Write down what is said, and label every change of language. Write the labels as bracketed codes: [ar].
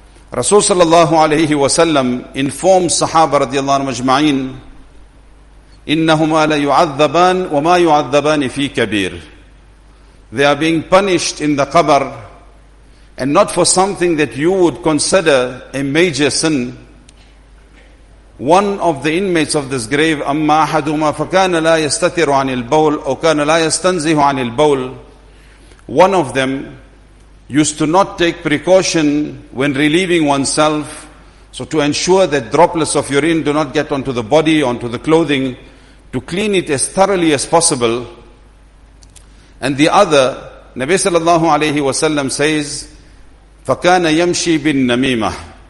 [en] Rasul sallallahu alayhi wa sallam informs Sahaba radiallahu anhu majma'in, [ar] إِنَّهُمَا لَيُعَذَّبَانِ وَمَا يُعَذَّبَانِ فِي كَبِيرٍ. [en] They are being punished in the qabr, and not for something that you would consider a major sin. One of the inmates of this grave, [ar] أَمَّا أَحَدُهُمَا فَكَانَ لَا يَسْتَثِرُ عَنِ الْبَوْلِ أَوْ كَانَ لَا يَسْتَنْزِهُ عَنِ الْبَوْلِ. [en] One of them used to not take precaution when relieving oneself. So to ensure that droplets of urine do not get onto the body, onto the clothing, to clean it as thoroughly as possible. And the other, Nabi sallallahu alayhi wa sallam says, [ar] فَكَانَ يَمْشِي بِالنَّمِيمَةِ.